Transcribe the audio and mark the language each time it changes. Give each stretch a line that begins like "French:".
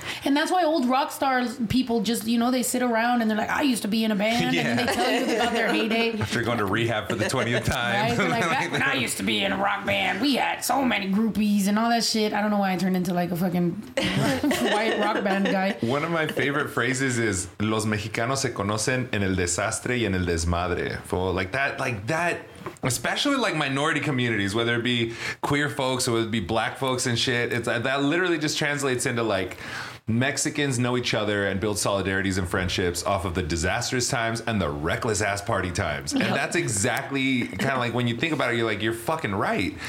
English: And that's why old rock stars people just, you know, they sit around and they're like, I used to be in a band. Yeah. And then they tell you about their heyday. After going to rehab for the 20th time. Right? Like, back when I used to be in a rock band, we had so many groupies and all that shit. I don't know why I turned into like a fucking white rock band guy. One of my favorite phrases is,
Spanish: los mexicanos se conocen en el desastre y en el desmadre.
English: For like that. Especially like minority communities, whether it be queer folks or it be black folks and shit, it's that literally just translates into like Mexicans know each other and build solidarities and friendships off of the disastrous times and the reckless ass party times. Yep. And that's exactly kind of like when you think about it, you're like, you're fucking right.